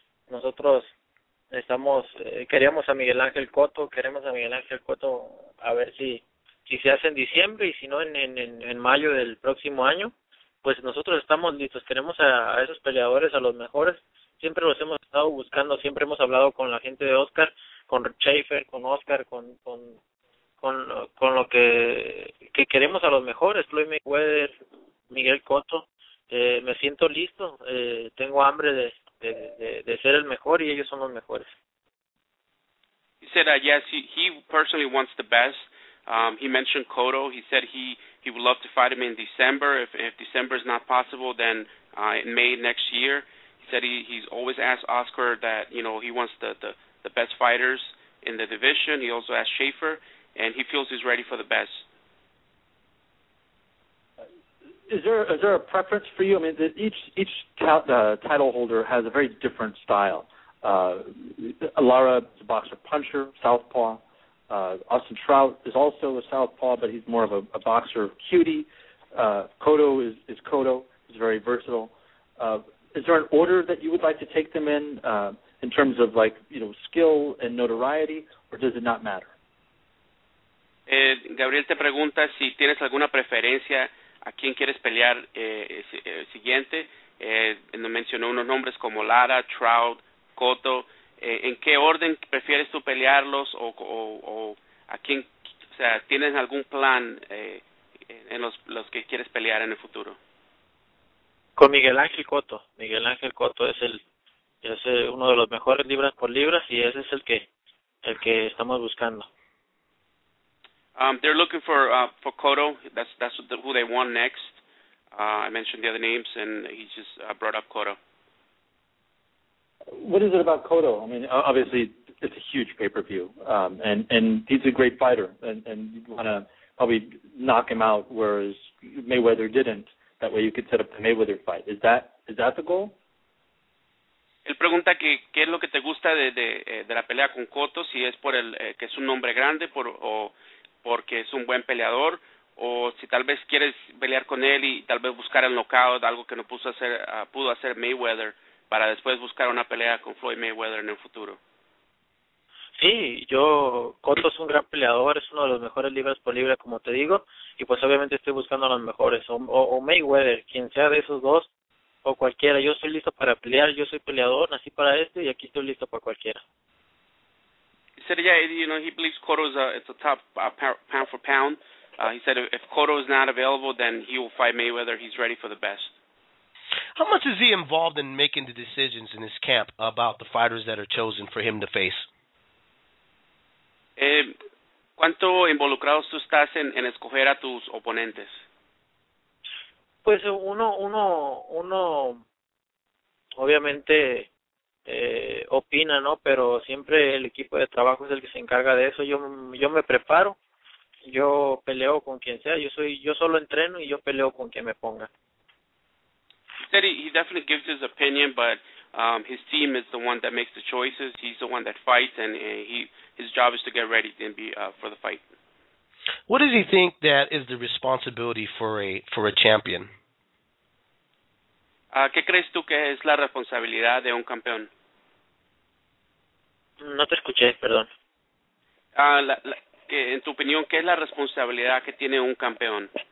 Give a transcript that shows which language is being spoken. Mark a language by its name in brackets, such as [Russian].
[Spanish] Nosotros estamos, queríamos a Miguel Ángel Cotto, queremos a Miguel Ángel Cotto, a ver si se hace en diciembre y si no en mayo del próximo año, pues nosotros estamos listos, queremos a esos peleadores, a los mejores. Siempre los hemos estado buscando, siempre hemos hablado con la gente de Oscar, con Schaefer, con Oscar, con lo que queremos a los mejores, Floyd Mayweather, Miguel Cotto. Me siento listo, tengo hambre de ser el mejor y ellos son los mejores. [English] He said yes, he personally wants the best. He mentioned Cotto. He said he would love to fight him in December. If December is not possible, then in May next year. He said he's always asked Oscar that, you know, he wants the best fighters in the division. He also asked Schaefer, and he feels he's ready for the best. Is there a preference for you? I mean, each title holder has a very different style. Lara is a boxer puncher, southpaw. Austin Trout is also a southpaw, but he's more of a boxer cutie. Cotto is Cotto. He's very versatile. Is there an order that you would like to take them in terms of, like, you know, skill and notoriety, or does it not matter? [Spanish] Gabriel te pregunta si tienes alguna preferencia a quién quieres pelear siguiente. Nos mencionó unos nombres como Lara, Trout, Cotto. ¿En qué orden prefieres tú pelearlos o a quién, o sea, tienes algún plan en los que quieres pelear en el futuro? Con Miguel Ángel Cotto. Miguel Ángel Cotto es uno de los mejores libras por libras y ese es el que estamos buscando. [English] They're looking for Cotto. That's who they want next. I mentioned the other names and he just brought up Cotto. What is it about Cotto? I mean, obviously, it's a huge pay-per-view, and he's a great fighter, and you'd want to probably knock him out, whereas Mayweather didn't. That way you could set up the Mayweather fight. Is that the goal? [Spanish] Él pregunta que qué es lo que te gusta de la pelea con Cotto, si es por el que es un nombre grande o porque es un buen peleador, o si tal vez quieres pelear con él y tal vez buscar el knockout, algo que no pudo hacer Mayweather, para después buscar una pelea con Floyd Mayweather en el futuro. Sí, Cotto es un gran peleador, es uno de los mejores libras por libra, como te digo, y pues obviamente estoy buscando a los mejores, o Mayweather, quien sea de esos dos, o cualquiera. Yo estoy listo para pelear, yo soy peleador, nací para esto, y aquí estoy listo para cualquiera. [English] He said, yeah, you know, he believes Cotto is a top pound for pound. He said, if Cotto is not available, then he will fight Mayweather, he's ready for the best. How much is he involved in making the decisions in his camp about the fighters that are chosen for him to face? [Spanish] ¿Cuánto involucrado tú estás en escoger a tus oponentes? Pues uno obviamente opina, ¿no? Pero siempre el equipo de trabajo es el que se encarga de eso. Yo me preparo, yo peleo con quien sea, yo solo entreno y yo peleo con quien me ponga. [English] He definitely gives his opinion, but his team is the one that makes the choices. He's the one that fights, and his job is to get ready and be for the fight. What does he think that is the responsibility for a champion? [Spanish] ¿Qué crees tú que es la responsabilidad de un campeón? No te escuché, perdón. En tu opinión, ¿qué es la responsabilidad que tiene un campeón?